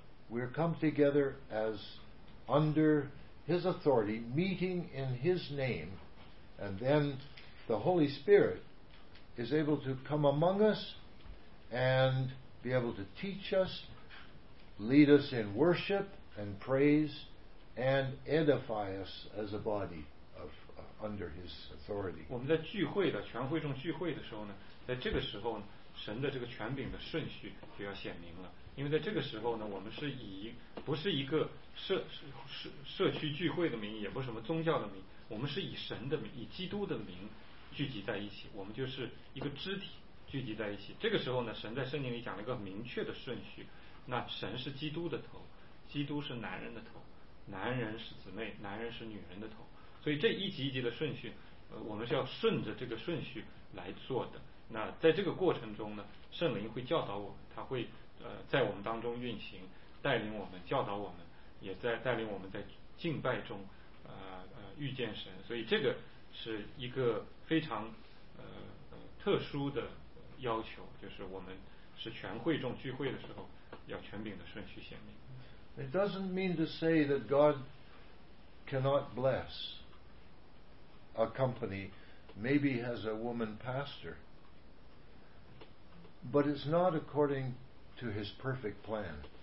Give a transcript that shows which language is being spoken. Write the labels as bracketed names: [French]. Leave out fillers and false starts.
[English] We're come together as under his authority, meeting in his name, and then the Holy Spirit is able to come among us and be able to teach us, lead us in worship and praise, and edify us as a body under his authority. [Chinese] 我们在聚会的全会众聚会的时候呢, 在这个时候呢, 神的这个权柄的顺序就要显明了, 因为在这个时候呢, 我们是以, 不是一个社区聚会的名义, 也不是什么宗教的名义, 我们是以神的名, 以基督的名, 聚集在一起, 我们就是一个肢体, 聚集在一起, 这个时候呢, 神在圣经里讲了一个明确的顺序, 那神是基督的头, 基督是男人的头, 男人是姊妹, 男人是女人的头, 所以这一级一级的顺序, 我们是要顺着这个顺序来做的, 那在这个过程中呢, 圣灵会教导我们, 祂会, 在我们当中运行, 带领我们, 教导我们, 也在带领我们在敬拜中, 遇见神, 所以这个是一个非常, 特殊的要求, 就是我们是全会众聚会的时候, 要权柄的顺序显明。 [English] It doesn't mean to say that God cannot bless a company, maybe has a woman pastor, but it's not according to his perfect plan.